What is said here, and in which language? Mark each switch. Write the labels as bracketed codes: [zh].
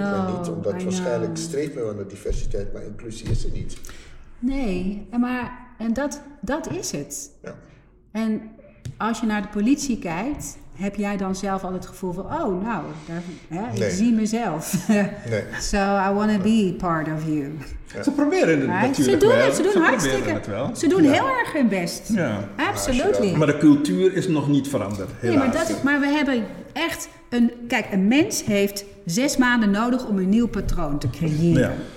[nl] maar niet. Omdat waarschijnlijk streeft men aan de diversiteit, maar inclusie is er niet. Nee, dat is het. Ja. En als je naar de politie kijkt, heb jij dan zelf al het gevoel van, oh, nou, ik zie mezelf. Nee. [en] So I want to be part of you. [nl] Ja. Ze proberen het natuurlijk ze doen wel. Het, ze doen ze hartstikke. Het wel. Ze doen heel erg hun best. Ja. [en] Absolutely. [nl] Maar de cultuur is nog niet veranderd, helaas. Nee, maar we hebben echt een mens heeft 6 maanden nodig om een nieuw patroon te creëren.